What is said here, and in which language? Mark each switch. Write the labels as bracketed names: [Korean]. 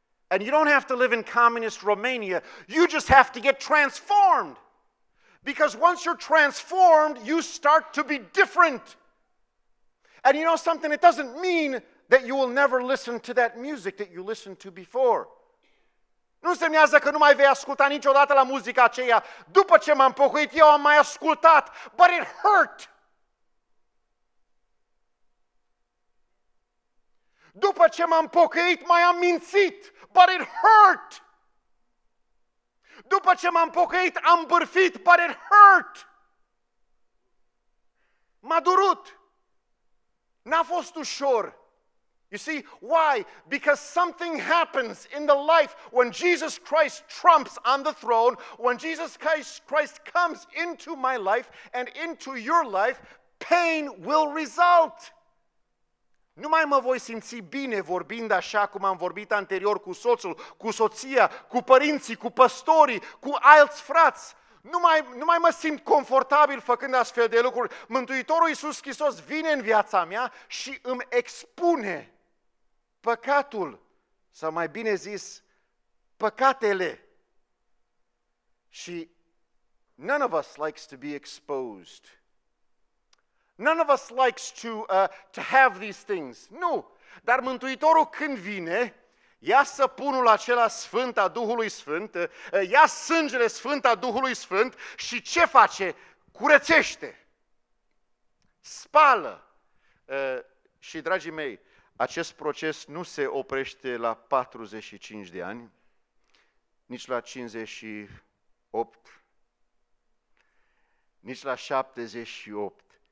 [English] And you don't have to live in communist Romania. You just have to get transformed. Because once you're transformed, you start to be different. And you know something? It doesn't mean that you will never listen to that music that you listened to before. [Romanian] Nu semnează că nu mai vei asculta niciodată la muzica aceea. După ce m-am pocuit, eu am mai ascultat. [English] But it hurt. [Romanian] După ce m-am pocuit, mai am mințit. [English] But it hurt. [Romanian] După ce m-am pocuit, am bârfit. [English] But it hurt. [Romanian] M-a durut. N-a fost ușor. [English] You see, why? Because something happens in the life when Jesus Christ trumps on the throne, when Jesus Christ comes into my life and into your life, pain will result. [Romanian] Nu mai mă voi simți bine vorbind așa cum am vorbit anterior cu soțul, cu soția, cu părinții, cu păstorii, cu alți frați. Nu mai mă simt confortabil făcând astfel de lucruri. Mântuitorul Iisus Hristos vine în viața mea și îmi expune păcatul, sau mai bine zis, păcatele. [English] Și none of us likes to be exposed. None of us likes to have these things. [Romanian] Nu, dar Mântuitorul când vine, ia săpunul acela sfânt a Duhului Sfânt, ia sângele sfânt a Duhului Sfânt și ce face? Curățește, spală. Și dragii mei, acest proces nu se oprește la 45 de ani, nici la 58, nici la 78.